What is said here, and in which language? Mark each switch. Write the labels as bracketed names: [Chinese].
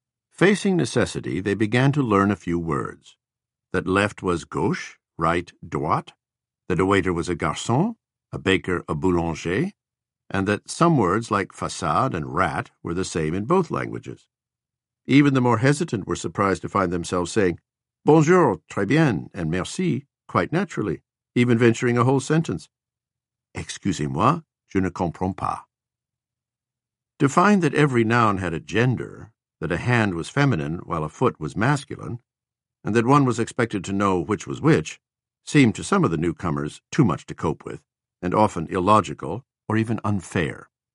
[English] Facing necessity, they began to learn a few words. That left was gauche, right droite, that a waiter was a garçon, a baker a boulanger, and that some words like façade and rat were the same in both languages. Even the more hesitant were surprised to find themselves saying, [French] "Bonjour, très bien, [English] and merci," quite naturally, even venturing a whole sentence. [French] "Excusez-moi, je ne comprends pas." [English] To find that every noun had a gender, that a hand was feminine while a foot was masculine, and that one was expected to know which was which, seemed to some of the newcomers too much to cope with, and often illogical or even unfair.